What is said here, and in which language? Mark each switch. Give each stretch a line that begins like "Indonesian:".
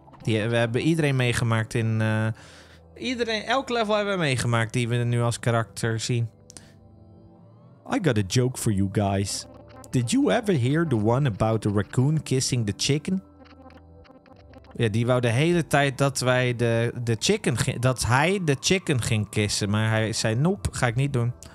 Dutch: We hebben iedereen meegemaakt in... iedereen, elk level hebben we meegemaakt die we nu als karakter zien.
English: I got a joke for you guys. Did you ever hear the one about the raccoon kissing the chicken?
Dutch: Ja, die wou de hele tijd dat wij de chicken... Dat hij de chicken ging kissen. Maar hij zei, nope, ga ik niet doen.